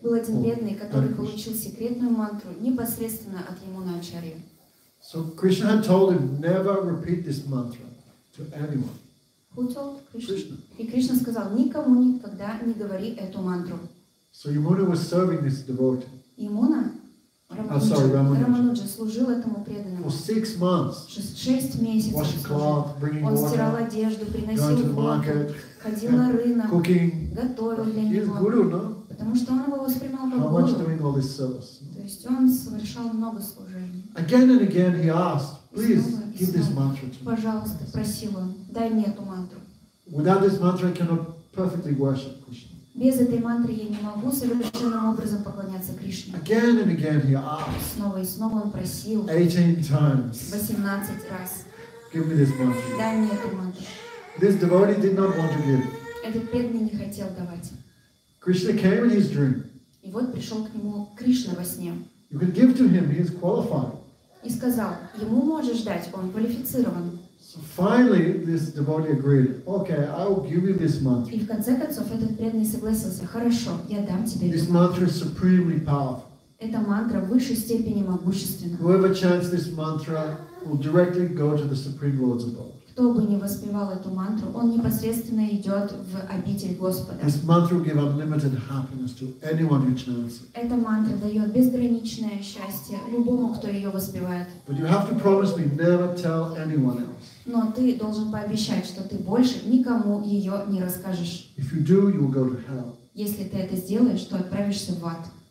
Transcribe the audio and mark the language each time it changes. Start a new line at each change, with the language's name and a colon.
Russian: Был один бедный, который получил секретную мантру непосредственно от Ямуна Ачарьи.
English: So Krishna had told him, never repeat this mantra to anyone. Who told Krishna?
Russian: И Кришна сказал, никому никогда не говори эту мантру.
English: So Yamuna was serving this devotee. Yamuna?
Russian: Рамануджа служил этому преданному.
English: For 6 months.
Russian: Шесть месяцев.
English: Washing cloth, bringing water.
Russian: Он стирал одежду, приносил воду.
English: Going to the market.
Russian: Ходил на рынок.
English: Cooking.
Russian: Готовил для него.
English: He's guru, no?
Russian: Потому что он его воспринимал как гуру.
English: How much doing all this service?
Russian: То есть он совершал много служений.
English: Again and again he asked, please give this mantra to me.
Russian: Пожалуйста, просил он, дай мне эту мантру.
English: Without this mantra, I cannot perfectly worship Krishna.
Russian: Без этой мантры я не могу совершенным образом поклоняться Кришне.
English: Again and again he asked.
Russian: Снова и снова он просил.
English: 18 times.
Russian: 18 раз.
English: Give me this mantra.
Russian: Дай мне эту мантру.
English: This devotee did not want to give.
Russian: Этот преданный не хотел давать.
English: Krishna came in his dream.
Russian: И вот пришел к нему Кришна во сне.
English: You can give to him, he is qualified.
Russian: И сказал, ему можешь дать, он квалифицирован.
English: So finally, this devotee agreed. Okay, I will give you this mantra.
Russian: И в конце концов этот преданный согласился. Хорошо, я дам тебе.
English: This mantra is supremely powerful.
Russian: Эта мантра в высшей степени могущественна.
English: Whoever chants this mantra will directly go to the supreme lords above.
Russian: Кто бы не воспевал эту мантру, он непосредственно идет в обитель Господа.
English: This mantra will give unlimited happiness to anyone who chants.
Russian: Эта мантра дает безграничное счастье любому, кто ее воспевает.
English: But you have to promise me never tell anyone else.
Russian: Но ты должен пообещать, что ты больше никому ее не расскажешь.
English: If you do, you will go to hell.
Russian: Если ты это сделаешь, то отправишься в ад.